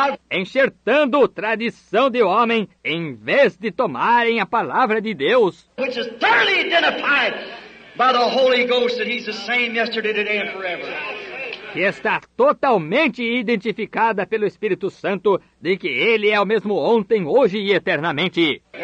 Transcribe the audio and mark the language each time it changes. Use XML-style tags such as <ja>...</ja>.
<pt>Enxertando tradição de homem em vez de tomarem a palavra de Deus,</pt> <en>which is thoroughly identified by the Holy Ghost that he's the same yesterday, today and forever.</en> <pt>Que está totalmente identificada pelo Espírito Santo de que ele é o mesmo ontem, hoje e eternamente.</pt>